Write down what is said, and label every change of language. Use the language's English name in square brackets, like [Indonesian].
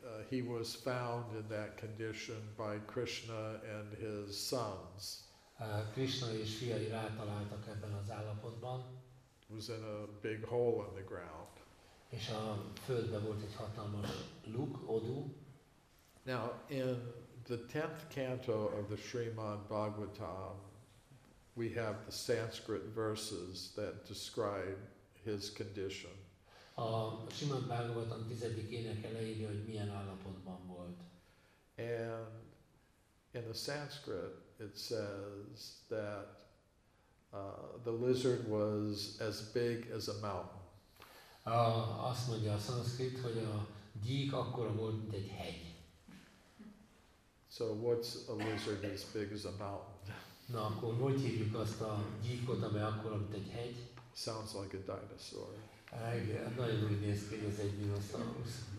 [English] He was found in that condition by Krishna and his sons. [Hungarian] Krishna és fiai rátaláltak ebben az állapotban. [English] It was in a big hole in the ground. [Hungarian] És a földben volt egy hatalmas luk, odú. [English] Now, in the 10th canto of the Srimad Bhagavatam, we have the Sanskrit verses that describe his condition. [Hungarian] A Srimad Bhagavatam 10. éneke leírja, hogy milyen állapotban volt. [English] And in the Sanskrit, it says that the lizard was as big as a mountain. [Hungarian] Azt mondja a Sanskrit, hogy a gyík akkora volt, mint egy hegy. [English] So what's a lizard as big as a mountain? [Hungarian] Na, akkor hogy hívjuk azt a gyíkot, amely akkor, mint egy hegy? [English] Sounds like a dinosaur. [Hungarian] Igen, nagyon úgy néz ki, hogy ez egy dinoszaurusz.